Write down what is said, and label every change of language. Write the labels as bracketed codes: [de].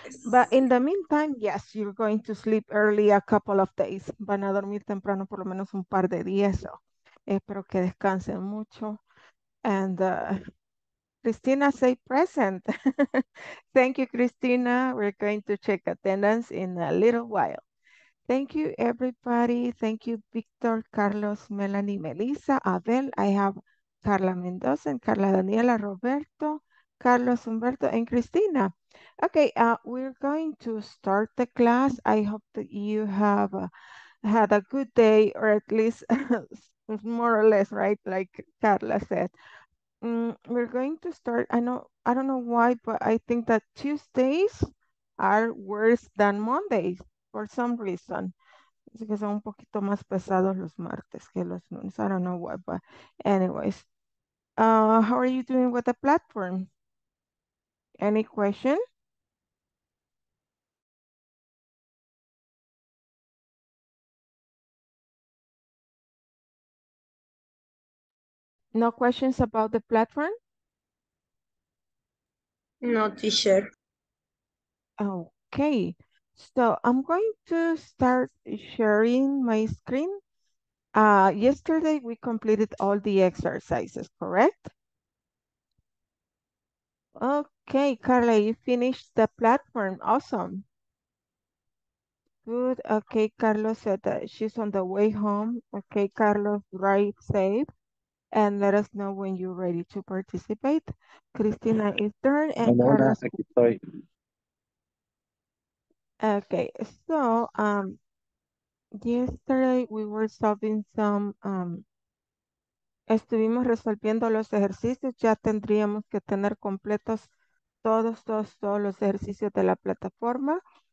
[en] But in the meantime, yes, you're going to sleep early a couple of days. [es] Van a dormir temprano por lo menos un par de días. [en] So [es] espero que descansen mucho. [en] And Cristina, say present. Thank you, Cristina. We're going to check attendance in a little while. Thank you, everybody. Thank you, Victor, Carlos, Melanie, Melissa, Abel. I have Carla Mendoza and Carla Daniela, Roberto, Carlos, Humberto, and Cristina. Okay, we're going to start the class. I hope that you have had a good day, or at least more or less, right? Like Carla said, we're going to start. I don't know why, but I think that Tuesdays are worse than Mondays for some reason. [es] Es que son un poquito más pesados los martes que los lunes. [en] I don't know why, but anyways, how are you doing with the platform? Any question? No questions about the platform? No, teacher. Okay, so I'm going to start sharing my screen. Yesterday we completed all the exercises, correct? Okay, Carla, you finished the platform. Awesome. Good. Okay, Carlos said that she's on the way home. Okay, Carlos, drive safe and let us know when you're ready to participate. Cristina is done and [es] Hola, hola. Carlos. Aquí estoy. [en] Okay, so yesterday we were solving some [es] estuvimos resolviendo los ejercicios, ya tendríamos que tener completos todos los ejercicios de la plataforma.